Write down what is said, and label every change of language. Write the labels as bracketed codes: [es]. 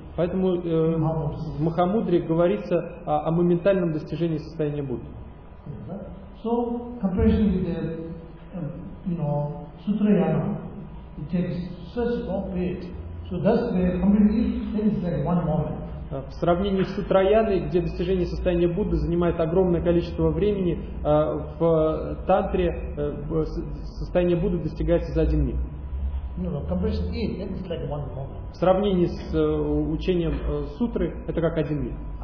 [ru] Поэтому в Махамудре говорится о моментальном достижении состояния Будды. [en] So comparison with the, you know, Sutrayana, it takes such a long period. So that's where completely things like one moment. [ru] В сравнении с Сутраяной, где достижение состояния Будды занимает огромное количество времени, в тантре состояние Будды достигается за один миг. В сравнении с учением сутры, это как один миг.